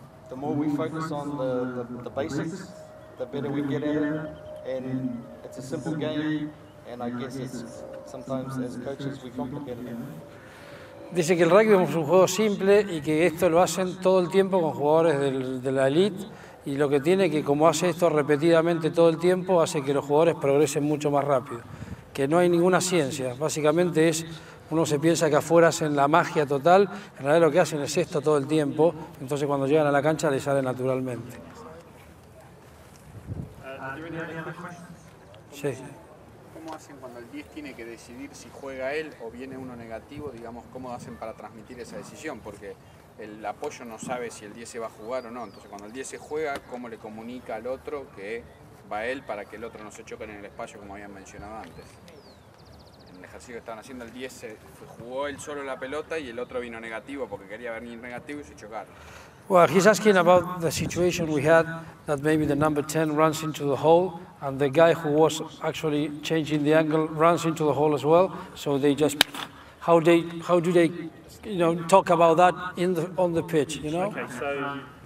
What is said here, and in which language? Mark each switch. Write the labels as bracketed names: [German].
[English] The more we focus on the basics, the better we get at it. And it's a simple game, and I guess it's sometimes as coaches we complicate it. [Spanish] Dice que el rugby es un juego simple y que esto lo hacen todo el tiempo con jugadores de la elite. Y lo que tiene que, como hace esto repetidamente todo el tiempo, hace que los jugadores progresen mucho más rápido. que no hay ninguna ciencia. Básicamente es, uno se piensa que afuera hacen la magia total, en realidad lo que hacen es esto todo el tiempo, entonces cuando llegan a la cancha les sale naturalmente. Sí. ¿Cómo hacen cuando el 10 tiene que decidir si juega él o viene uno negativo? Digamos, ¿cómo hacen para transmitir esa decisión? Porque el apoyo no sabe si el 10 se va a jugar o no. Entonces, cuando el 10 se juega, ¿cómo le comunica al otro que va él para que el otro no se choque en el espacio, como habían mencionado antes? En el ejercicio que estaban haciendo, el 10 se jugó él solo la pelota y el otro vino negativo porque quería venir negativo y se chocaron. [English] Well, he's asking about the situation we had, that maybe the number 10 runs into the hole and the guy who was actually changing the angle runs into the hole as well. So they just, how do they, you know, talk about that in the, on the pitch, you know? Okay, so